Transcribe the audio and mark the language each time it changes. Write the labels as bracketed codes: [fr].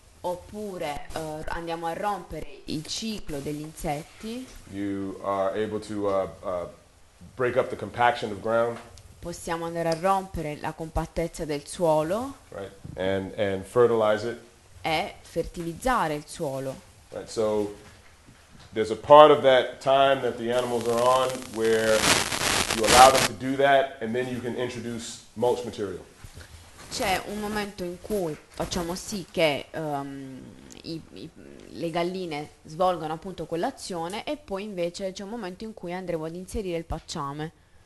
[it] Oppure andiamo a rompere il ciclo degli insetti. [en] You are able to break up the compaction of ground. [it] Possiamo andare a rompere la compattezza del suolo. [en] Right. And fertilize it. [it] E fertilizzare il suolo. [en] Right. So there's a part of that time that the animals are on where you allow them to do that and then you can introduce mulch material. [it] C'è un momento in cui facciamo sì che le galline svolgano appunto quell'azione e poi invece c'è un momento in cui andremo ad inserire il pacciame.